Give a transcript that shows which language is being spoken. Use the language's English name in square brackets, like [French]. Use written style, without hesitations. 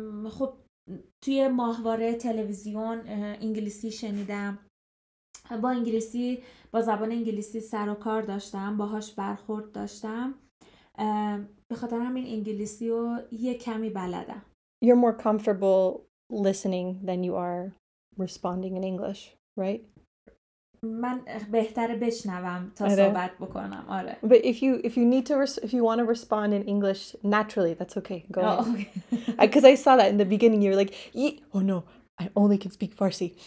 [Persian] خب توی ماهواره تلویزیون انگلیسی شنیدم. با انگلیسی، با زبان انگلیسی سر و کار داشتم، باهاش برخورد داشتم. به خاطر همین انگلیسی رو یه کمی بلدم. [English] You're more comfortable listening than you are responding in English, right? [Persian] من بهتره بشنوم تا صحبت بکنم. آره. [English] But if you want to respond in English naturally, that's okay. Go ahead. Okay. Because I saw that in the beginning, you were like, oh no, I only can speak Farsi.